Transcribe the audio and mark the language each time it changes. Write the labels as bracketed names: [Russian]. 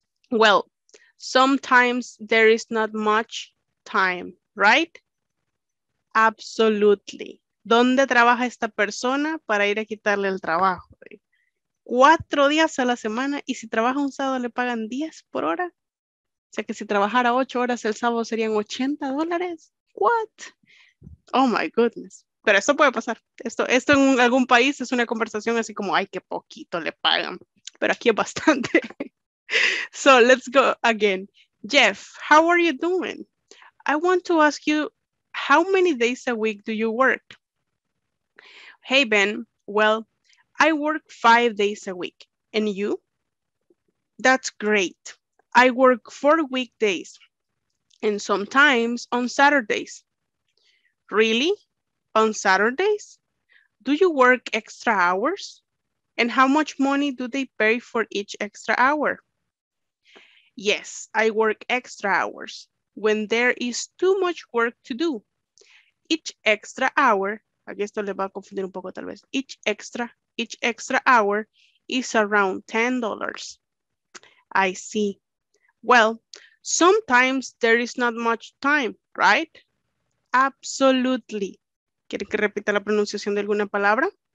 [English] Well, sometimes there is not much time, right? Absolutely. [Spanish] ¿Dónde trabaja esta persona para ir a quitarle el trabajo? 4 días a la semana, y si trabaja un sábado le pagan 10 por hora. O sea que si trabajara 8 horas el sábado serían $80. [English] What? Oh my goodness. [Spanish] Pero esto puede pasar. Esto en algún país es una conversación así como, ay, qué poquito le pagan. Pero aquí es bastante. [English] So let's go again. Jeff, how are you doing? I want to ask you, how many days a week do you work? Hey, Ben. Well, I work 5 days a week. And you? That's great. I work 4 weekdays. And sometimes on Saturdays. Really? On Saturdays? Do you work extra hours? And how much money do they pay for each extra hour? Yes, I work extra hours when there is too much work to do. Each extra hour, [Spanish] aquí esto le va a confundir un poco tal vez, [English] each extra hour is around $10. I see. Well, sometimes there is not much time, right? Absolutely. [Spanish] ¿Quiere que repita la pronunciación de alguna palabra?